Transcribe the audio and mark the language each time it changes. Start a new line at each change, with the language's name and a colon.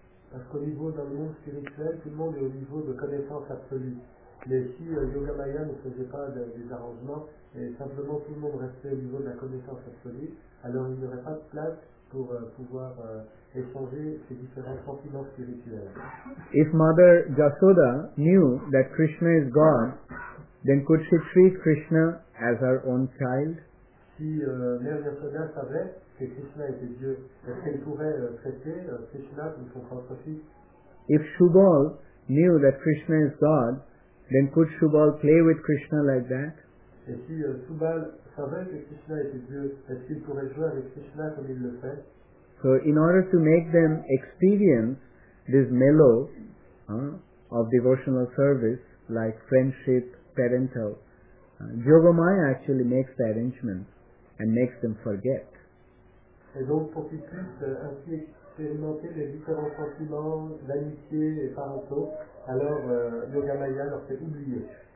French: Parce qu'au niveau dans le monde spirituel, tout le monde est au niveau de connaissance absolue. Mais si Yogamaya ne faisait pas des arrangements et simplement tout le monde restait au niveau de la connaissance absolue, alors il n'y aurait pas de place pour pouvoir échanger ces différents sentiments spirituels.
English: If Mother Yasoda knew that Krishna is God, then could she treat Krishna as her own child?
French: Si Mère Yasoda savait que Krishna était Dieu, est-ce qu'elle pourrait traiter Krishna comme son propre fils?
English: If Shubal knew that Krishna is God, then could Shubal play with Krishna like that?
French: Et si Shubal savait que Krishna était Dieu, est-ce qu'il pourrait jouer avec Krishna comme il le fait?
English: So in order to make them experience this mellow of devotional service, like friendship, parental, Yogamaya actually makes the arrangement and makes them forget.
French: Et donc pour qu'ils puissent ainsi expérimenter les différents sentiments d'amitié et parentaux, alors Yogamaya leur fait oublier.